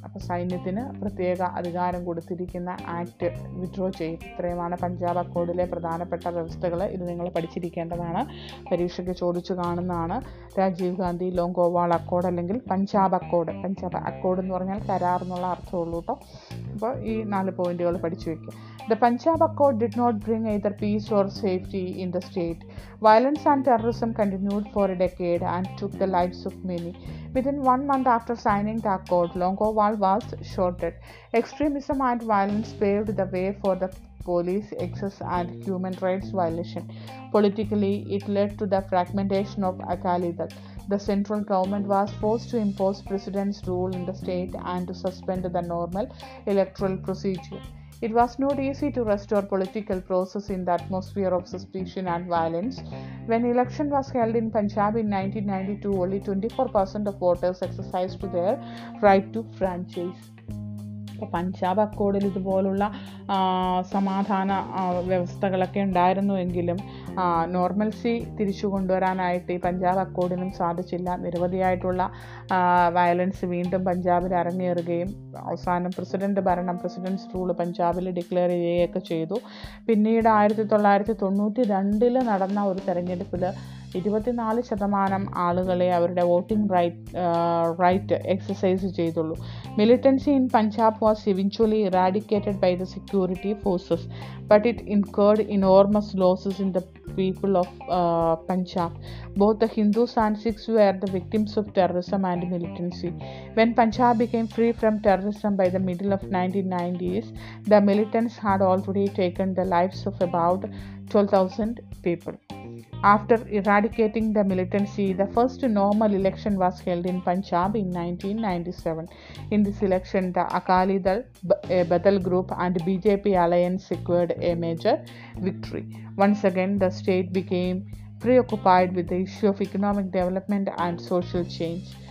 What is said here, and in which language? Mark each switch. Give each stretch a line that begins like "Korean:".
Malayalam: അപ്പോൾ സൈന്യത്തിന് പ്രത്യേക അധികാരം കൊടുത്തിരിക്കുന്ന ആക്ട് വിഡ്രോ ചെയ്യും. ഇത്രയുമാണ് പഞ്ചാബ് അക്കോർഡിലെ പ്രധാനപ്പെട്ട വ്യവസ്ഥകൾ. ഇത് നിങ്ങൾ പഠിച്ചിരിക്കേണ്ടതാണ്, പരീക്ഷയ്ക്ക് ചോദിച്ചു കാണുന്നതാണ്. രാജീവ് ഗാന്ധി ലോങ്കോവാൾ അക്കോർഡ് അല്ലെങ്കിൽ പഞ്ചാബ് അക്കോർഡ്. പഞ്ചാബ് അക്കോർഡ് എന്ന് പറഞ്ഞാൽ കരാർ എന്നുള്ള അർത്ഥമുള്ളൂ കേട്ടോ. അപ്പോൾ ഈ 4 പോയിൻറ്റുകൾ പഠിച്ചു വയ്ക്കുക.
English: The Punjab Accord did not bring either peace or safety in the state. Violence and terrorism continued for a decade and took the lives of many. Within 1 month after signing the accord, Longowal was shot dead. Extremism and violence paved the way for the police excess and human rights violation. Politically, it led to the fragmentation of Akali Dal. The central government was forced to impose president's rule in the state and to suspend the normal electoral procedure. It was not easy to restore political process in the atmosphere of suspicion and violence. When election was held in Punjab in 1992, only 24% of voters exercised their right to franchise.
Malayalam: ഇപ്പോൾ പഞ്ചാബ് അക്കോർഡിൽ ഇതുപോലുള്ള സമാധാന വ്യവസ്ഥകളൊക്കെ ഉണ്ടായിരുന്നു എങ്കിലും normalcy തിരിച്ചു കൊണ്ടുവരാനായിട്ട് ഈ പഞ്ചാബ് അക്കോർഡിനും സാധിച്ചില്ല. നിരവധിയായിട്ടുള്ള വയലൻസ് വീണ്ടും പഞ്ചാബിൽ അരങ്ങേറുകയും അവസാനം പ്രസിഡൻ്റ് ഭരണം, പ്രസിഡൻസ് റൂള് പഞ്ചാബിൽ ഡിക്ലെയർ ചെയ്യുകയൊക്കെ ചെയ്തു. പിന്നീട് 1992 നടന്ന ഒരു തെരഞ്ഞെടുപ്പിൽ 24% ആളുകളെ അവരുടെ വോട്ടിംഗ് റൈറ്റ് എക്സസൈസ് ചെയ്തുള്ളൂ.
English: Militancy in Punjab was eventually eradicated by the security forces but it incurred enormous losses in the people of Punjab. Both the Hindus and Sikhs were the victims of terrorism and militancy. When Punjab became free from terrorism by the middle of 1990s, the militants had already taken the lifes of about 12,000 people. After eradicating the militancy, the first normal election was held in Punjab in 1997. In this election, the Akali Dal, a Badal group, and BJP alliance secured a major victory. Once again, the state became preoccupied with the issue of economic development and social change.